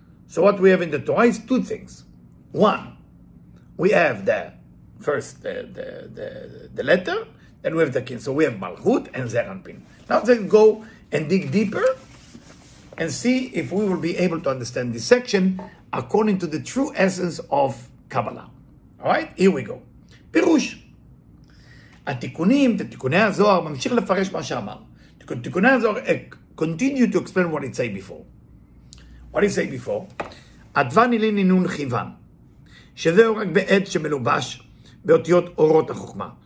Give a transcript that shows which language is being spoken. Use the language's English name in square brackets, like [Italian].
[English] So what we have in the Torah is two things. One, we have the letter, and we have the king. So we have Malchut and Zeranpin. Now let's go and dig deeper and see if we will be able to understand this section according to the true essence of Kabbalah. All right, here we go. Pirush. [Hebrew] Atikunim, the Tikkunei HaZohar, ממשיך לפרש מה שאמר. [English] Tikkunei HaZohar continue to explain what it said before. What it said before? [Aramaic] Advan ilin inun chivan. [Hebrew] שזהו רק בעת שמלובש באותיות אורות החוכמה.